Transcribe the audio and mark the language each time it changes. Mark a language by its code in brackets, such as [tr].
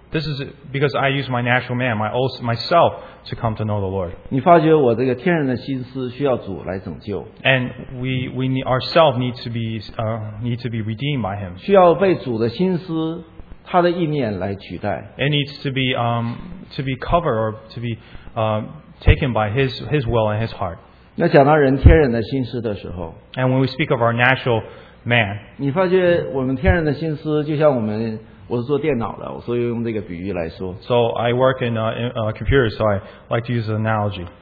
[en] This is because I use my natural man, myself, to come to know the Lord. [zh] 你发觉我这个天然的心思需要主来拯救。 [en] And we ourselves need to be redeemed by Him. [zh] 需要被主的心思，他的意念来取代。 [en] It needs to be covered or to be taken by His will and His heart. [zh] 那讲到人天然的心思的时候。 [en] And when we speak of our natural man, [zh] 你发觉我们天然的心思就像我们我是做电脑的，所以用这个比喻来说。 [en] So I work in a computer, so I like to use an analogy.